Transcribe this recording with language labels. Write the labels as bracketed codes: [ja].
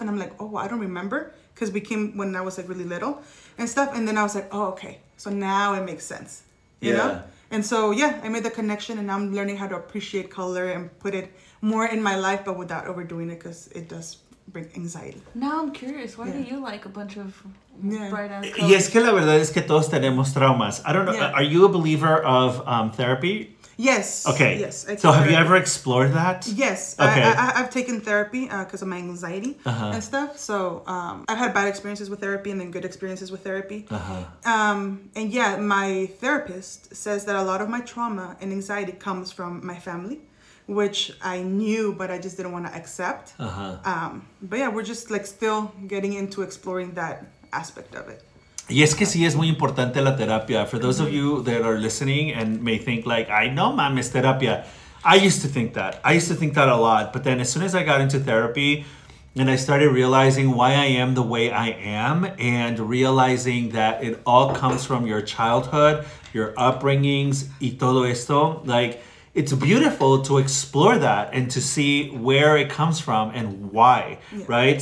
[en] And I'm like, oh, well, I don't remember. Because we came when I was like really little and stuff. And then I was like, oh, okay. So now it makes sense. You yeah. know? And so, yeah, I made the connection and now I'm learning how to appreciate color and put it more in my life, but without overdoing it because it does bring anxiety. Now I'm curious. Why yeah. do you like a bunch of yeah. bright-ass [es] colors? Y es que la verdad es que todos tenemos traumas. [en] I don't know. Yeah. Are you a believer of therapy? Yes. Okay. Yes. So have you ever explored that? Yes. Okay. I've taken therapy because of my anxiety uh-huh. and stuff. So I've had bad experiences with therapy and then good experiences with therapy. Uh-huh. And yeah, my therapist says that a lot of my trauma and anxiety comes from my family, which I knew, but I just didn't want to accept. Uh-huh. But yeah, we're just like still getting into exploring that aspect of it. [es] Y es que sí es muy importante la terapia. [en] For those of you that are listening and may think like, I know, mam, [es] es terapia. [en] I used to think that. I used to think that a lot. But then as soon as I got into therapy and I started realizing why I am the way I am and realizing that it all comes from your childhood, your upbringings, [es] y todo esto, [en] like, it's beautiful to explore that and to see where it comes from and why, yeah. right?